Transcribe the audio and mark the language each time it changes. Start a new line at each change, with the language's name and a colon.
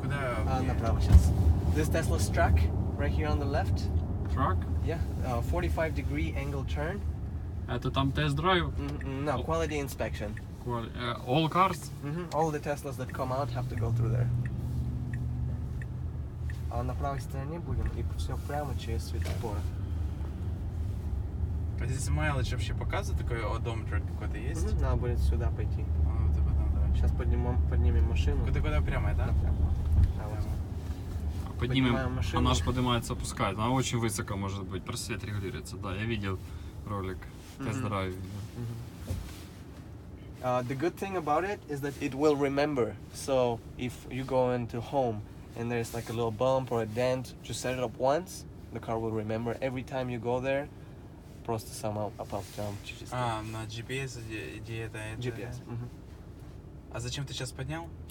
Russian: Куда? Направо сейчас.
English: This Tesla's track, right here on the left. Track? Yeah, 45 degree angle turn.
Russian: Это там тест драйв?
English: No, quality inspection. All cars? All the Teslas that come out have to go through there.
Russian: А на правой стороне будем и все прямо через светофор. А здесь майлдж вообще показывает такой одометр какой-то есть? Надо будет сюда пойти. А, вот и потом, давай. Сейчас поднимем машину. Куда прямо, да? Прямо. А вот. Поднимаем. Она же поднимается, опускает. Она очень высоко может быть. Просвет регулируется. Да, я видел ролик. Тест-драйв.
English: The good thing about it is that it will remember. So if you go into home. And there's like a little bump or a dent, just set it up once, the car will remember every time you go there,
Russian: просто сам попал прям через. А, на GPS идея это. GPS. А зачем ты сейчас поднял?